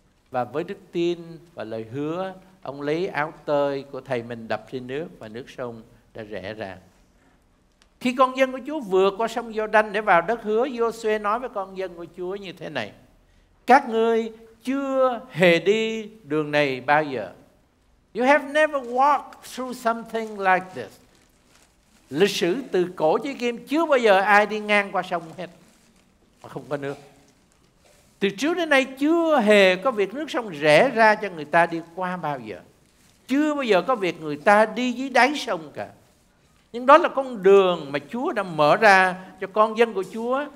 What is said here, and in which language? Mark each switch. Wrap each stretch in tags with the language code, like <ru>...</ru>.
<vi>Và với đức tin và lời hứa, ông lấy áo tơi của thầy mình đập trên nước và nước sông đã rẽ ra. Khi con dân của Chúa vượt qua sông Giô-đanh để vào đất hứa, Giô-suê nói với con dân của Chúa như thế này: các ngươi chưa hề đi đường này bao giờ.</vi> <en>You have never walked through something like this.</en> <vi>Lịch sử từ cổ chí kim chưa bao giờ ai đi ngang qua sông hết mà không có nước. Từ trước đến nay chưa hề có việc nước sông rẽ ra cho người ta đi qua bao giờ. Chưa bao giờ có việc người ta đi dưới đáy sông cả. Nhưng đó là con đường mà Chúa đã mở ra cho con dân của Chúa.</vi>